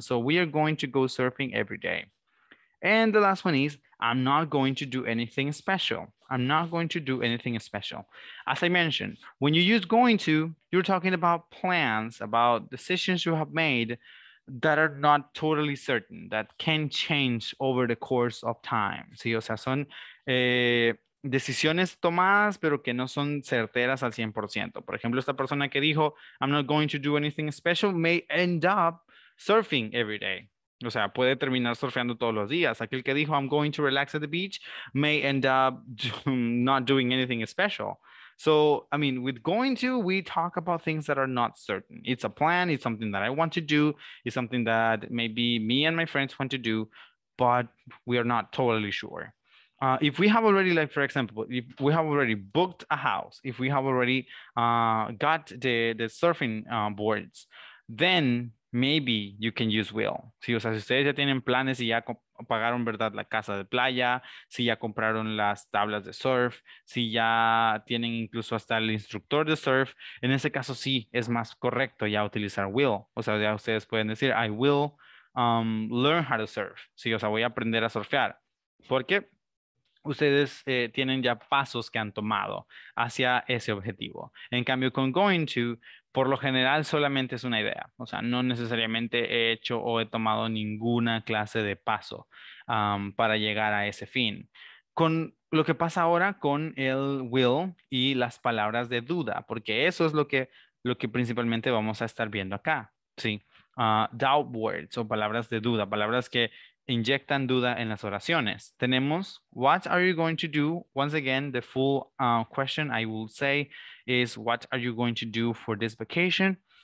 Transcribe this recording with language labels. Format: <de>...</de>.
<en>So we are going to go surfing every day. And the last one is, I'm not going to do anything special. I'm not going to do anything special. As I mentioned, when you use going to, you're talking about plans, about decisions you have made that are not totally certain, that can change over the course of time.</en> <es>Sí, o sea, son decisiones tomadas, pero que no son certeras al 100%. Por ejemplo, esta persona que dijo,</es> <en>I'm not going to do anything special, may end up surfing every day.</en> <es>O sea, puede terminar surfeando todos los días. Aquel que dijo,</es> <en>I'm going to relax at the beach, may end up not doing anything special. So, I mean, with going to, we talk about things that are not certain. It's a plan. It's something that I want to do. It's something that maybe me and my friends want to do, but we are not totally sure. If we have already, like, for example, if we have already booked a house, if we have already got the surfing boards, then maybe you can use will.</en> <es>Sí, o sea, si ustedes ya tienen planes y ya pagaron, ¿verdad?, la casa de playa, si ya compraron las tablas de surf, si ya tienen incluso hasta el instructor de surf, en ese caso sí es más correcto ya utilizar will. O sea, ya ustedes pueden decir,</es> <en>I will learn how to surf.</en> <es>Sí, o sea, voy a aprender a surfear. Porque ustedes tienen ya pasos que han tomado hacia ese objetivo. En cambio, con going to, por lo general, solamente es una idea. O sea, no necesariamente he hecho o he tomado ninguna clase de paso para llegar a ese fin. Con lo que pasa ahora con el will y las palabras de duda, porque eso es lo que principalmente vamos a estar viendo acá, ¿sí?</es> <en>Doubt words</en> <es>o palabras de duda, palabras que inyectan duda en las oraciones. Tenemos,</es> <en>what are you going to do? Once again, the full question I will say is, what are you going to do for this vacation?</en>